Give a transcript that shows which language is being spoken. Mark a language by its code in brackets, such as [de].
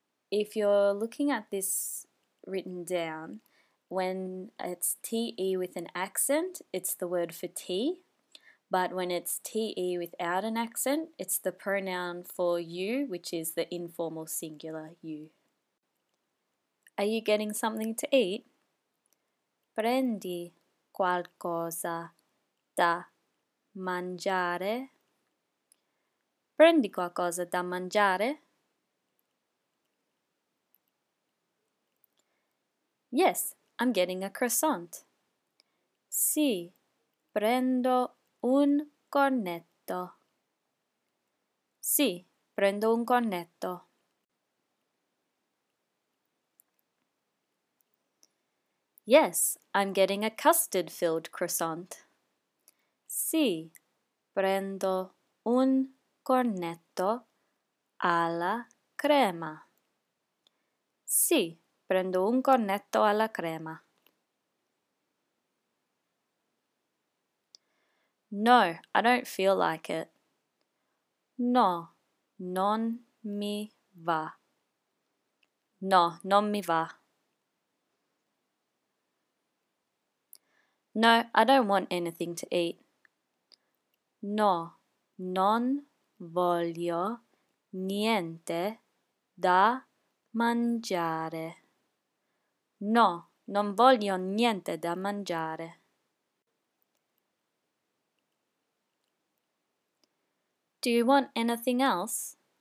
[en] If you're looking at this written down, when it's TE with an accent, it's the word for tea. But when it's TE without an accent, it's the pronoun for you, which is the informal singular you. Are you getting something to eat? [it] Prendi qualcosa da mangiare. Prendi qualcosa da mangiare? [en] Yes, I'm getting a croissant. [it] Sì, prendo un cornetto. Sì, prendo un cornetto. [en] Yes, I'm getting a custard-filled croissant. [it] Sì, prendo un cornetto alla crema. Sì, prendo un cornetto alla crema. [en] No, I don't feel like it. [it] No, non mi va. No, non mi va. [en] No, I don't want anything to eat. [it] No, non voglio niente da mangiare. No, non voglio niente da mangiare. [en] Do you want anything else?